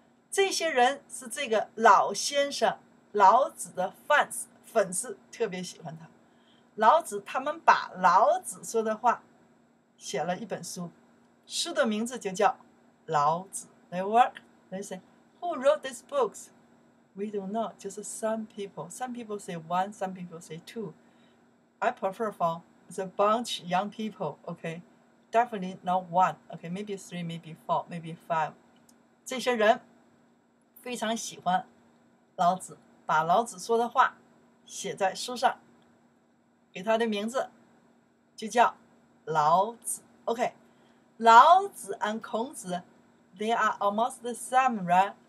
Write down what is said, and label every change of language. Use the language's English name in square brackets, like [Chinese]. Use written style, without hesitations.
[Chinese] 这些人是这个老先生老子的 fans, 粉丝特别喜欢他。老子他们把老子说的话写了一本书，书的名字就叫老子。 [English] They work, they say, who wrote these books? We don't know, just some people. Some people say one, some people say two. I prefer for the bunch young people, okay? Definitely not one, okay? Maybe three, maybe four, maybe five. [Chinese] 这些人非常喜欢老子，把老子说的话写在书上，给他的名字就叫老子。 [English] Okay, 老子 and 孔子They are almost the same, right?